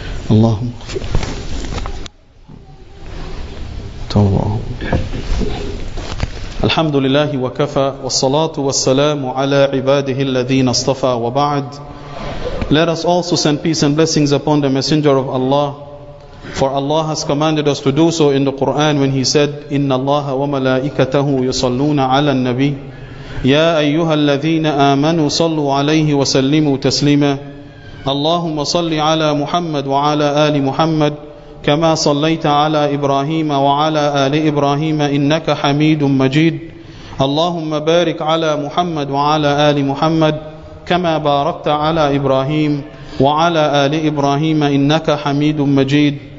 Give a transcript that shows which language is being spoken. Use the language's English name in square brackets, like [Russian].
[Arabic] اللهم الحمد لله وكفى والصلاة والسلام على عباده الذين اصطفى وبعد. [English] Let us also send peace and blessings upon the Messenger of Allah, for Allah has commanded us to do so in the Quran when He said, [Arabic] إِنَّ اللَّهَ وَمَلَائِكَتَهُ يُصَلُّونَ عَلَى النَّبِيِّ يَا أَيُّهَا الَّذِينَ آمَنُوا صَلُّوا عَلَيْهِ وَسَلِّمُوا تَسْلِيمًا. اللهم صل على محمد وعلى آل محمد كما صليت على إبراهيم وعلى آل إبراهيم إنك حميد مجيد. اللهم بارك على محمد وعلى آل محمد كما باركت على إبراهيم وعلى آل إبراهيم إنك حميد مجيد.